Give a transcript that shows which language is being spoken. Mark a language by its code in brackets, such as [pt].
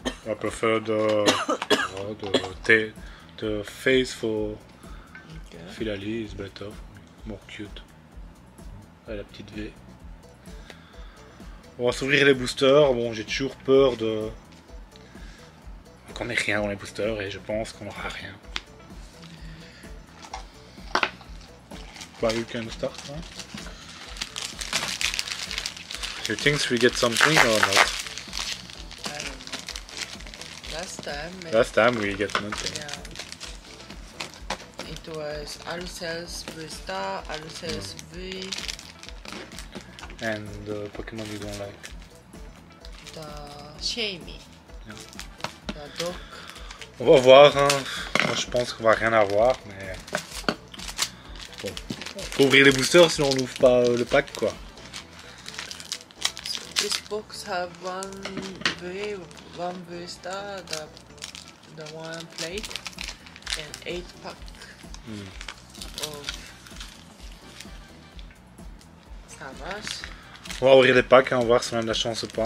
[en] I prefer the face for Filali is better, more cute. [fr] À la petite V. On va s'ouvrir les boosters. Bon, j'ai toujours peur de qu'on ait rien dans les boosters et je pense qu'on n'aura rien. [en] But you can start, hein? You think we get something or not? Last time we get nothing. Yeah. It was Arceus V-Star, Arceus V. And the Pokemon you don't like? The Shamie. Yeah. The Doc. [fr] On va voir, hein. Moi je pense qu'on va rien avoir, mais. Bon. Faut ouvrir les boosters sinon on n'ouvre pas le pack, quoi. [en] This box have one V star, the one plate, and 8 pack of Samus. [fr] On va ouvrir les packs, hein, on va voir si on a de la chance ou pas.